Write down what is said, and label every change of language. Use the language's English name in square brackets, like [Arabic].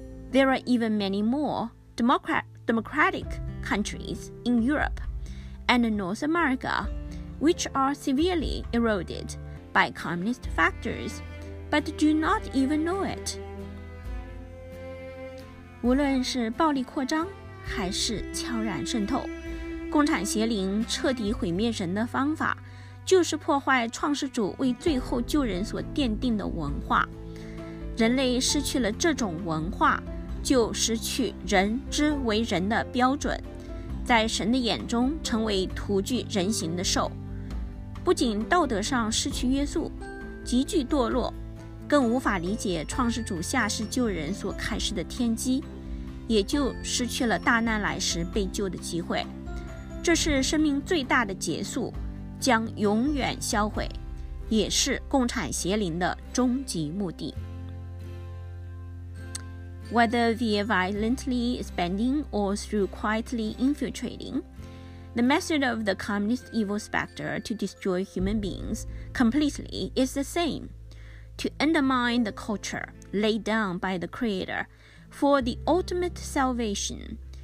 [English] There are even many more democratic countries in Europe and North America which are severely eroded by communist factors but do not even know it. [Chinese] 无论是暴力扩张还是悄然渗透，共产邪灵彻底毁灭人的方法就是破坏创世主为最后救人所奠定的文化。人类失去了这种文化，就失去人之为人的标准，在神的眼中成为徒具人形的兽，不仅道德上失去约束，极具堕落，更无法理解创世主下世救人所开示的天机，也就失去了大难来时被救的机会。这是生命最大的结束，将永远销毁，也是共产邪灵的终极目的。 [English] Whether via violently expanding or through quietly infiltrating, the method of the communist evil specter to destroy human beings completely is the same, to undermine the culture laid down by the Creator for the ultimate salvation.